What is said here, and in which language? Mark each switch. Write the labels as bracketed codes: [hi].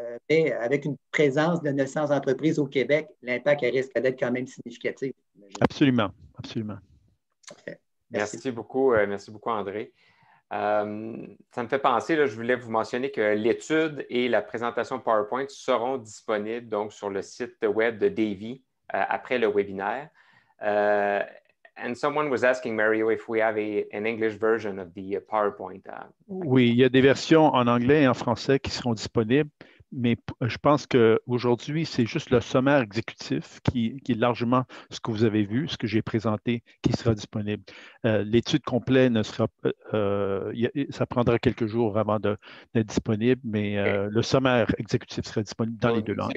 [fr] Mais avec une présence de 900 entreprises au Québec, l'impact risque d'être quand même significatif. Absolument, absolument. Okay. Merci beaucoup, André. Ça me fait penser, là, je voulais vous mentionner que l'étude et la présentation PowerPoint seront disponibles donc sur le site web de Davy après le webinaire. [en] And someone was asking Mario if we have an English version of the PowerPoint. [fr] Oui, il y a des versions en anglais et en français qui seront disponibles, mais je pense qu'aujourd'hui, c'est juste le sommaire exécutif qui est largement ce que vous avez vu, ce que j'ai présenté, qui sera disponible. L'étude complète, ça prendra quelques jours avant d'être disponible, mais le sommaire exécutif sera disponible dans les deux langues.